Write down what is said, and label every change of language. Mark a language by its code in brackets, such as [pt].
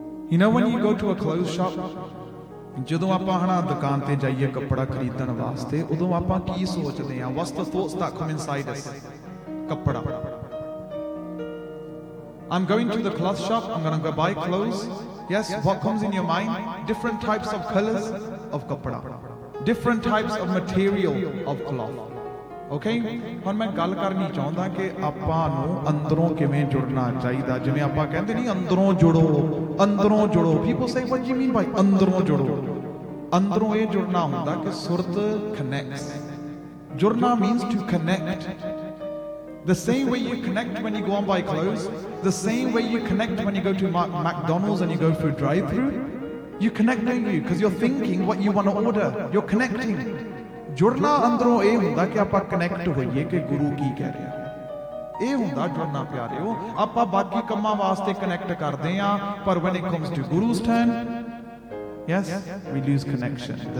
[en] You know when you go to a clothes shop, [pa] ਜਦੋਂ ਆਪਾਂ ਹਨਾ ਦੁਕਾਨ ਤੇ ਜਾਈਏ ਕੱਪੜਾ ਖਰੀਦਣ ਵਾਸਤੇ ਉਦੋਂ ਆਪਾਂ ਕੀ ਸੋਚਦੇ ਹਾਂ? [en] ਵਸਤ ਸੋਚ ਤੱਕ ਮਿਨਸਾਈਡ ਇਸ ਕੱਪੜਾ। I'm going to the cloth shop, I'm going to buy clothes. Yes, what comes in your mind? Different types of colors of kapda, different types of material of cloth. [pa] Okay, ਹੁਣ ਮੈਂ ਗੱਲ ਕਰਨੀ ਚਾਹੁੰਦਾ ਕਿ ਆਪਾਂ ਨੂੰ ਅੰਦਰੋਂ ਕਿਵੇਂ ਜੁੜਨਾ ਚਾਹੀਦਾ। ਜਿਵੇਂ ਆਪਾਂ ਕਹਿੰਦੇ ਨਹੀਂ ਅੰਦਰੋਂ ਜੁੜੋ, ਅੰਦਰੋਂ ਜੁੜੋ, [en] people say what do you mean by [pa] ਅੰਦਰੋਂ ਜੁੜੋ? ਅੰਦਰੋਂ ਇਹ ਜੁੜਨਾ ਹੁੰਦਾ ਕਿ ਸੁਰਤ ਕਨੈਕਟ, ਜੁੜਨਾ [en] Means to connect. The same way you connect when you go on by clothes, the same way you connect when you go to McDonald's and you go through drive through, you connect, don't you? Because you're thinking what you want to order, you're connecting. [pa] ਜੁੜਨਾ ਅੰਦਰੋਂ ਇਹ ਹੁੰਦਾ ਕਿ ਆਪਾਂ connect ਹੋਈਏ ਕਿ ਗੁਰੂ ਕੀ ਕਹਿ ਰਿਹਾ, ਇਹ ਹੁੰਦਾ ਜੁੜਨਾ ਪਿਆਰਿਓ। ਆਪਾਂ ਬਾਕੀ ਕੰਮਾਂ ਵਾਸਤੇ ਕਨੈਕਟ ਕਰਦੇ ਆ, ਪਰ [en] when it comes to guru's turn, yes, we lose connection.